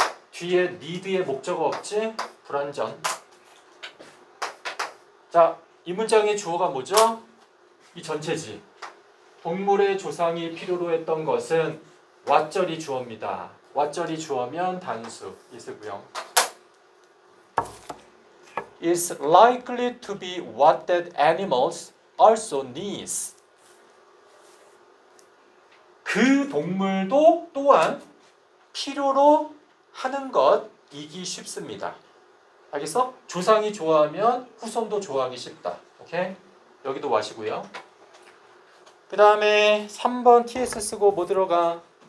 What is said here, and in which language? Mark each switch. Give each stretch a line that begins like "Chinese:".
Korean: 뒤에 need의 목적어 없지? 불완전. 자, 이 문장의 주어가 뭐죠? 이 전체지. 동물의 조상이 필요로 했던 것은 what절이 주어입니다. what절이 주어면 단수 있으고요.
English: It's likely to be what that animals also needs.
Korean: 그 동물도 또한 필요로 하는 것이기 쉽습니다. 알겠어? 조상이 좋아하면 후손도 좋아하기 쉽다. 오케이? 여기도 와시고요. 그 다음에 3번 TS 쓰고 뭐 들어가?